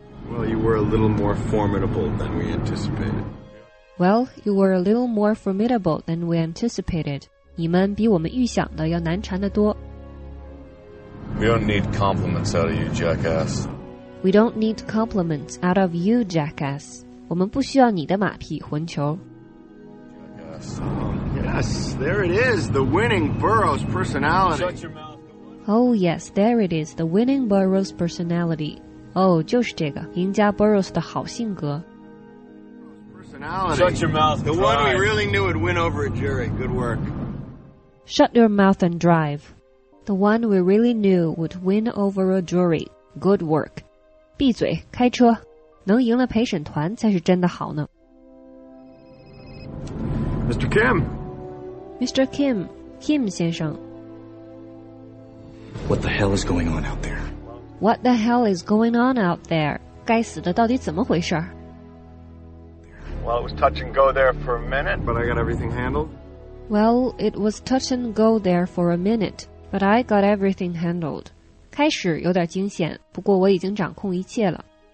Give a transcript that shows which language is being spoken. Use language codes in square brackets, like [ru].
[en] Well, you were a little more formidable than we anticipated. Well, you were a little more formidable than we anticipated. [zh] 你们比我们预想的要难缠得多。 [en] We don't need compliments out of you, jackass. We don't need compliments out of you, jackass. [zh] 我们不需要你的马屁，混球。 [en] Yes, there it is, the winning Burroughs personality. Shut your mouth. Oh, yes, there it is, the winning Burroughs personality. [zh] Oh, 就是这个，赢家 Burroughs 的好性格。 [en] Shut your mouth. The one we really knew would win over a jury. Good work. Shut your mouth and drive. The one we really knew would win over a jury. Good work. [zh] 闭嘴，开车，能赢了陪审团才是真的好呢。 [en] Mr. Kim. [zh] Mr. Kim, Kim 先生。 [en] What the hell is going on out there? What the hell is going on out there? [zh] 该死的到底怎么回事？ [en] Well, it was touch and go there for a minute. But I got everything handled. Well, it was touch and go there for a minute. But I got everything handled. [zh] 开始有点惊险，不过我已经掌控一切了。